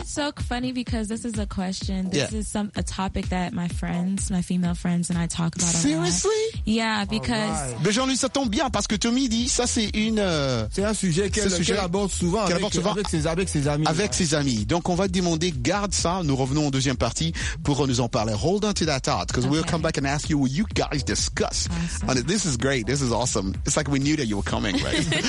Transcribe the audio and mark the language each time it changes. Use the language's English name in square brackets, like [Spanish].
[English] It's so funny because this is a question. This is a topic that my friends, my female friends, and I talk about. Seriously? Yeah, because. Right. [French] Mais Jean-Louis, ça tombe bien parce que Tommy dit ça, c'est une. C'est un sujet qu'elle aborde souvent. Avec ses amis. Avec ses amis. Donc, on va demander, garde ça. Nous revenons en deuxième partie pour nous en parler. [English] Hold on to that thought because we'll come back and ask you what you guys discuss. Awesome. And this is great. This is awesome. It's like we knew that you were coming, right?